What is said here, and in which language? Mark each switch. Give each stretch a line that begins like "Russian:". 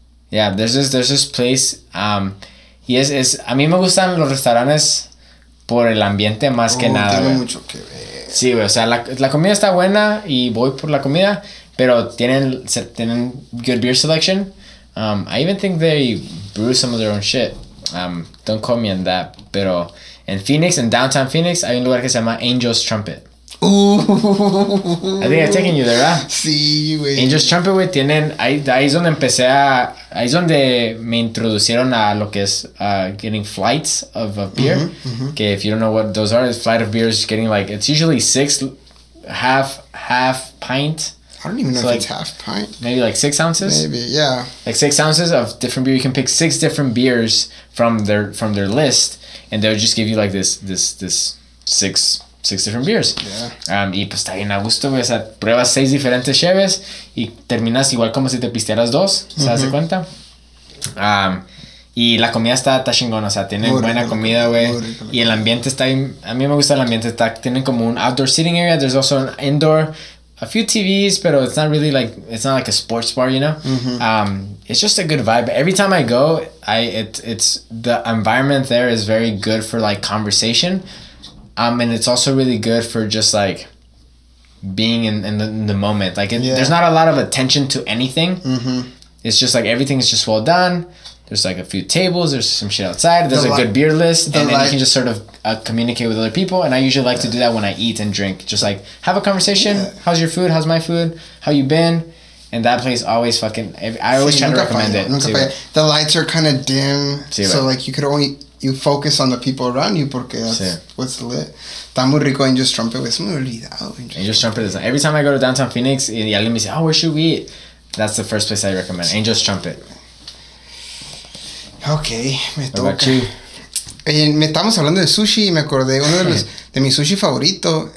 English: Yeah, there's this place,
Spanish: y es a mí me gustan los restaurantes por el ambiente más que nada. Tiene mucho que ver. Sí, güey, o sea, la comida está buena y voy por la comida, pero tienen
English: good beer selection. I even think they brew some of their own shit. Don't call me on that,
Spanish: pero en Phoenix, en downtown Phoenix, hay un lugar que se llama Angel's Trumpet. Ooh.
English: I think I've taken you there,
Spanish: ¿verdad? Sí, güey. Angel's Trumpet, güey, tienen... Ahí es donde empecé a... Ahí es donde me introducieron a lo que es
English: getting flights of a beer. Mm-hmm, mm-hmm.
Spanish: Que
English: if you don't know what those are, flight of beer is getting like... It's usually six, half pint. I don't even know if it's half pint. Maybe like 6 ounces. Maybe, yeah. Like 6 ounces of different beer. You can pick 6 different beers from their list. And they'll just give you like this 6 different beers. Yeah.
Spanish: Y pues está bien a gusto, güey. O sea, pruebas 6 diferentes cheves y terminas igual como si te pistearas 2. ¿Se hace uh-huh. cuenta? Y la comida está chingón. O sea, tienen muy buena rico, comida, güey. Y el ambiente está bien. A mí me gusta el ambiente. Tienen como un
English: outdoor sitting area. There's also an indoor. A few TVs,
Spanish: pero
English: it's not really like... It's not like a sports bar, you know? Mm-hmm. It's just a good vibe. Every time I go, it's the environment there is very good for like conversation. And it's also really good for just like being in the moment. Like there's not a lot of attention to anything. Mm-hmm. It's just like everything is just well done. There's like a few tables. There's some shit outside. There's a good beer list. And then you can just sort of communicate with other people. And I usually like to do that when I eat and drink. Just like have a conversation. Yeah. How's your food? How's my food? How you been? And that place always fucking... I always try to recommend it. The lights are kind of dim.
Spanish: Sí,
English: so like you could only... You focus on the people around you
Spanish: porque
English: that's what's lit.
Spanish: Está muy rico Angel's Trumpet, güey. Se me ha olvidado.
English: Angel's Trumpet is... Every time I go to downtown Phoenix
Spanish: y alguien me dice,
English: oh, where should we eat? That's the first place I recommend. Angel's Trumpet.
Spanish: Okay, me toca. Estamos hablando de sushi y me acordé de mi sushi favorito.